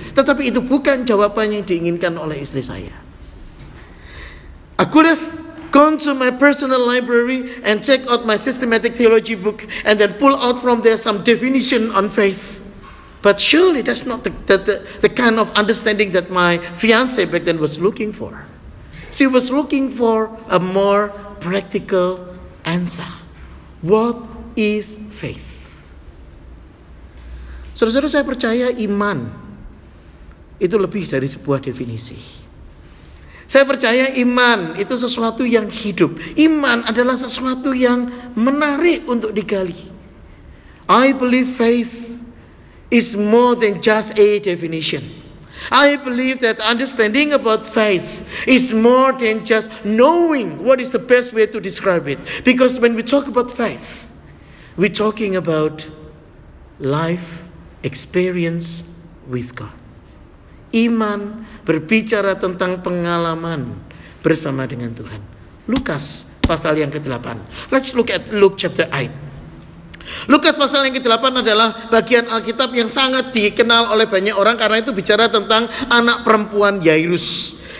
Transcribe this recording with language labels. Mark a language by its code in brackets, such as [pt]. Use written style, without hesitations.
[id] Tetapi itu bukan jawaban yang diinginkan oleh istri saya. [en] Aku lef gone to my personal library and take out my systematic theology book and then pull out from there some definition on faith. But surely that's not the kind of understanding that my fiancé back then was looking for. She was looking for a more practical answer. What is faith? [id] Saudara-saudara, saya percaya iman itu lebih dari sebuah definisi. Saya percaya iman itu sesuatu yang hidup. Iman adalah sesuatu yang menarik untuk digali. [en] I believe faith is more than just a definition. I believe that understanding about faith is more than just knowing what is the best way to describe it. Because when we talk about faith, we're talking about life experience with God. [id] Iman berbicara tentang pengalaman bersama dengan Tuhan. Lukas pasal yang ke-8. [en] Let's look at Luke chapter 8. [id] Lukas pasal yang ke-8 adalah bagian Alkitab yang sangat dikenal oleh banyak orang, karena itu bicara tentang anak perempuan Yairus.